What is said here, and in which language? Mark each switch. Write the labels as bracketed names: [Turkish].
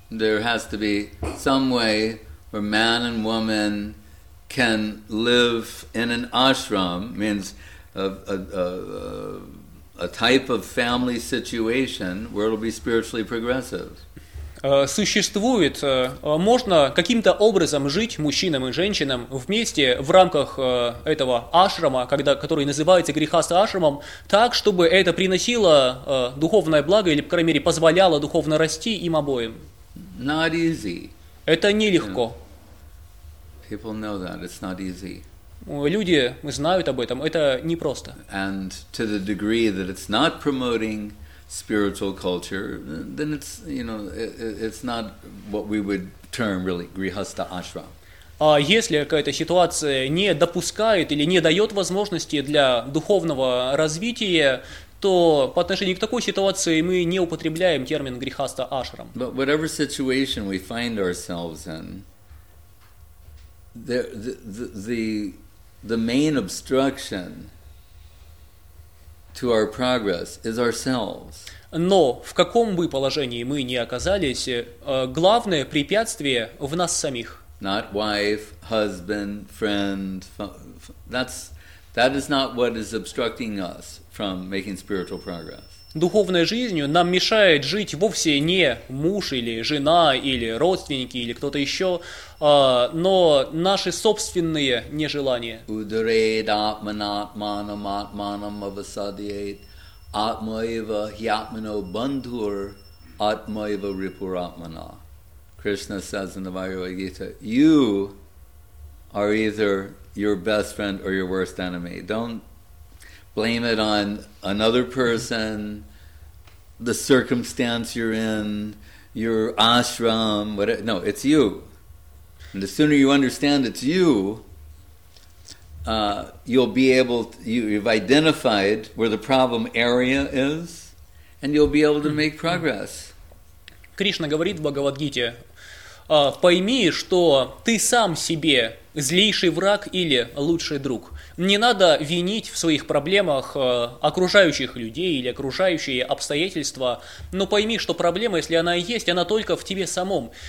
[English] There has to be some way where man and woman can live in an ashram, means a type of family situation where it'll be spiritually progressive. [Russian] Существует, можно каким-то образом жить мужчинам и женщинам вместе в рамках этого ашрама, который называется грихастха ашрамом, так, чтобы это приносило духовное благо или, по крайней мере, позволяло духовно расти им обоим. [English] Not easy. [Russian] Это нелегко. [English] People know that. It's not easy. [Russian] Люди знают об этом. Это непросто. [English] And to the degree that it's not promoting spiritual culture, then it's, you know, it's not what we would term really grihastha ashram. [Russian] А если какая-то ситуация не допускает или не дает возможности для духовного развития, то по отношению к такой ситуации мы не употребляем термин грихастха ашрам. [English] But whatever situation we find ourselves in, the main obstruction to our progress is ourselves. [Russian] Но в каком бы положении мы ни оказались, главное препятствие в нас самих. [English] Not wife, husband, friend. That is not what is obstructing us from making spiritual progress. [Russian] Духовной жизнью нам мешает жить вовсе не муж или жена или родственники или кто-то еще, но наши собственные нежелания. [Sanskrit] Удрейд атманатманам атманам авасадиет атмаева хьятмано бандхур атмаева рипуратмана. [English] Krishna says in the Bhagavad Gita, you are either your best friend or your worst enemy. Don't blame it on another person, the circumstance you're in, your ashram, whatever. No, it's you. And the sooner you understand it's you, you'll be able to, you've identified where the problem area is, and you'll be able to make progress. [Russian] Кришна говорит в Бхагавадгите, пойми, что ты сам себе злейший враг или лучший друг. Не надо винить в своих проблемах окружающих людей или окружающие обстоятельства, но пойми, что проблема, если она и есть, она только в тебе самом.